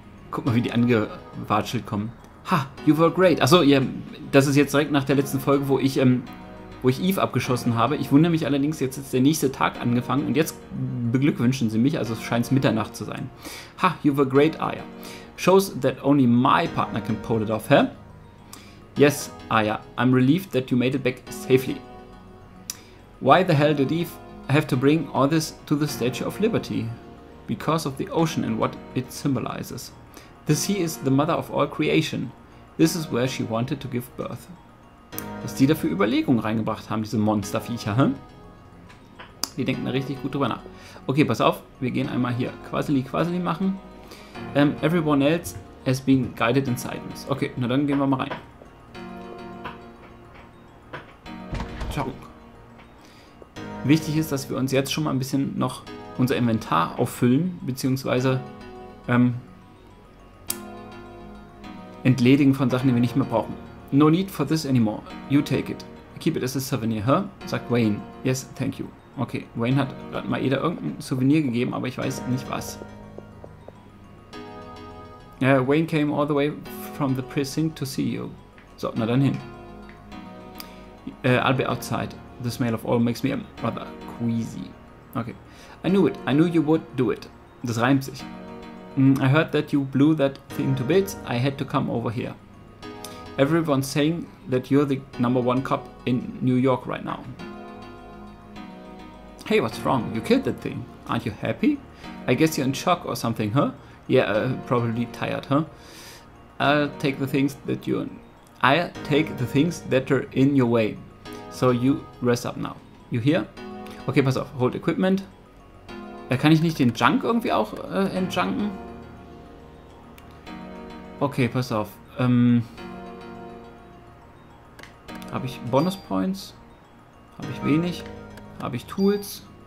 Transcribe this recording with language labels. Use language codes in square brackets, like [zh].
[de] Guck mal, wie die angewatschelt kommen. [en] Ha, you were great. [de] Achso, ja, das ist jetzt direkt nach der letzten Folge, wo ich Eve abgeschossen habe. Ich wundere mich allerdings, jetzt ist der nächste Tag angefangen und jetzt beglückwünschen sie mich, also scheint es Mitternacht zu sein. [en] Ha, you were great, Aya. Shows that only my partner can pull it off, hä? Yes, Aya, I'm relieved that you made it back safely. Why the hell did Eve have to bring all this to the Statue of Liberty? Because of the ocean and what it symbolizes. The sea is the mother of all creation. This is where she wanted to give birth. [de] Was die da für Überlegungen reingebracht haben, diese Monsterviecher, hä? Die denken da richtig gut drüber nach. Okay, pass auf, wir gehen einmal hier Quasili-Quasili machen. [en] Everyone else has been guided inside us. [de] Okay, na dann gehen wir mal rein. Tschung. Wichtig ist, dass wir uns jetzt schon mal ein bisschen noch unser Inventar auffüllen, beziehungsweise entledigen von Sachen, die wir nicht mehr brauchen. [en] No need for this anymore. You take it. Keep it as a souvenir, huh? [de] Sagt Wayne. [en] Yes, thank you. [de] Okay, Wayne hat gerade mal Eda irgendein Souvenir gegeben, aber ich weiß nicht was. [en] Wayne came all the way from the precinct to see you. [de] So, na dann hin. [en] I'll be outside. The smell of oil makes me rather queasy. Okay. I knew it. I knew you would do it. [de] Das reimt sich. [en] I heard that you blew that thing to bits. I had to come over here. Everyone's saying that you're the number one cop in New York right now. Hey, what's wrong? You killed that thing. Aren't you happy? I guess you're in shock or something, huh? Yeah, probably tired, huh? I'll take the things that are in your way. So you rest up now. You hear? [de] Okay, pass auf. [en] Hold equipment. [de] Kann ich nicht den Junk irgendwie auch entjunken? Okay, pass auf. Habe ich Bonus Points? Habe ich wenig? Habe ich Tools?